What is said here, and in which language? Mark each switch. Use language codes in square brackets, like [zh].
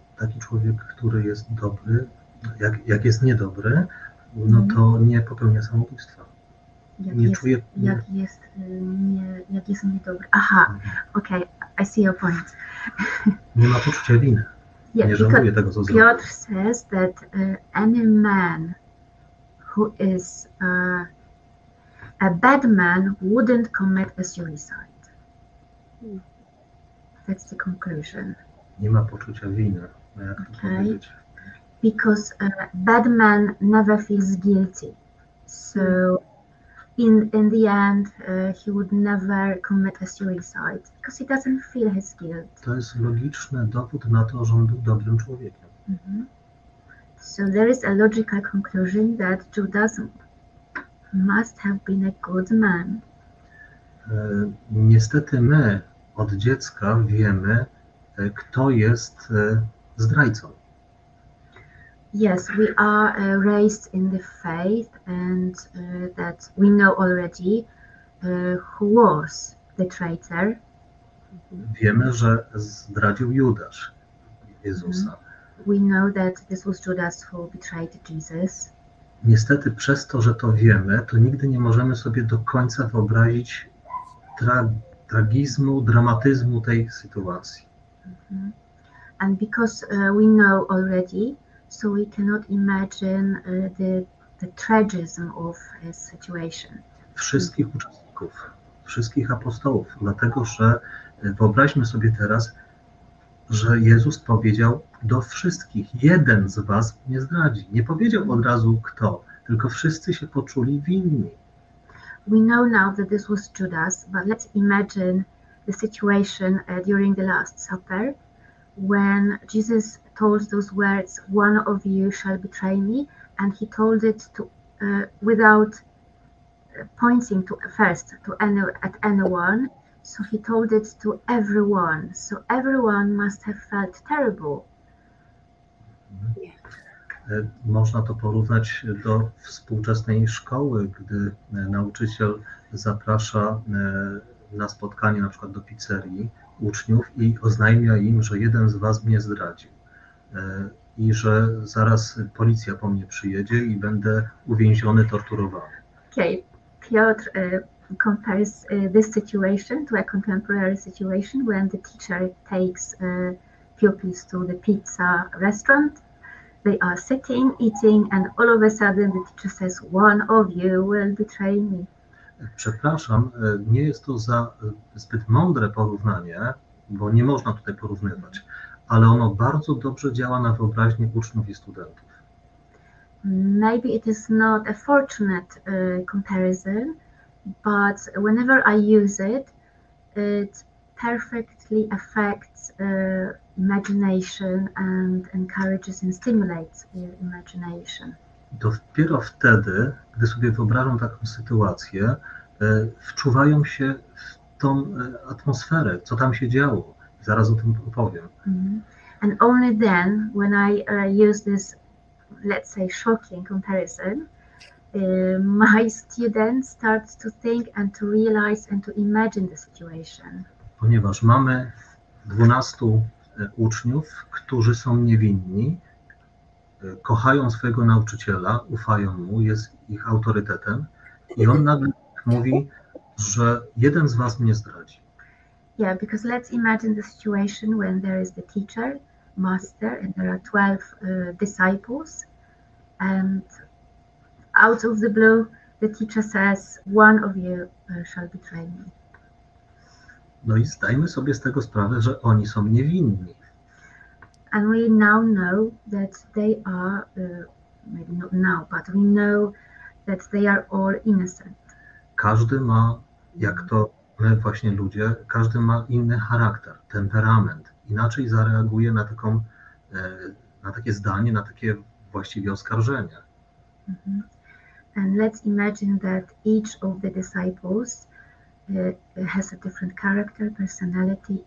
[pl] taki człowiek, który jest dobry, jak jest niedobry, no to nie popełnia samobójstwa. Jak Nie jest, czuje. Jak jest, nie, jak jest niedobry. [en] Aha, okej, okay, I see your point. [pl] Nie ma poczucia winy. [en] Yeah, [pl] nie żałuje tego, co zrobił. [en] Piotr says that any man who is a bad man wouldn't commit a suicide. That's the conclusion. [pl] Nie ma poczucia winy, jak to [en] okay. Because a bad man never feels guilty. So in the end he would never commit a suicide because he doesn't feel his guilt. [pl] To jest logiczny dowód na to, że on był dobrym człowiekiem. [en] So there is a logical conclusion that Judas must have been a good man. [pl] Niestety my od dziecka wiemy, kto jest zdrajcą. [en] Yes, we are raised in the faith and that we know already who was the traitor. [pl] Wiemy, że zdradził Judasz Jezusa. [en] We know that this was Judas who betrayed Jesus. [pl] Niestety przez to, że to wiemy, to nigdy nie możemy sobie do końca wyobrazić tragizmu, dramatyzmu tej sytuacji. [en] And because we know already, so we cannot imagine the tragism of his situation. [pl] Wszystkich uczestników, wszystkich apostołów, dlatego że wyobraźmy sobie teraz, że Jezus powiedział do wszystkich, jeden z was mnie zdradzi. Nie powiedział od razu kto, tylko wszyscy się poczuli winni. [en] We know now that this was Judas, but let's imagine the situation during the Last Supper, when Jesus told those words, one of you shall betray me, and he told it to without pointing to first to any at anyone. So he told it to everyone. So everyone must have felt terrible. [pl] Można to porównać do współczesnej szkoły, gdy nauczyciel zaprasza na spotkanie na przykład do pizzerii uczniów i oznajmia im, że jeden z was mnie zdradził i że zaraz policja po mnie przyjedzie i będę uwięziony, torturowany. [en] Okay. Piotr compares this situation to a contemporary situation when the teacher takes pupils to the pizza restaurant. They are sitting, eating, and all of a sudden the teacher says, one of you will betray me. [pl] Przepraszam, nie jest to za zbyt mądre porównanie, bo nie można tutaj porównywać, ale ono bardzo dobrze działa na wyobraźnię uczniów i studentów. [en] Maybe it is not a fortunate comparison, but whenever I use it, it perfectly affects imagination and encourages and stimulates your imagination. [pl] Dopiero wtedy, gdy sobie wyobrażam taką sytuację, wczuwają się w tą atmosferę, co tam się działo. Zaraz o tym opowiem. [en] And only then, when I use this, let's say, shocking comparison, my students start to think and to realize and to imagine the situation. [pl] Ponieważ mamy 12 uczniów, którzy są niewinni, kochają swojego nauczyciela, ufają mu, jest ich autorytetem i on nagle mówi, że jeden z was mnie zdradzi. [en] Yeah, because let's imagine the situation when there is the teacher, master, and there are 12 disciples, and out of the blue the teacher says, one of you shall betray me. [pl] No i zdajmy sobie z tego sprawę, że oni są niewinni. [en] And we now know that they are, maybe not now, but we know that they are all innocent. [pl] Każdy ma, jak to my właśnie ludzie, każdy ma inny charakter, temperament. Inaczej zareaguje na taką, na takie zdanie, na takie właściwie oskarżenie. [en] And let's imagine that each of the disciples has a different character, personality.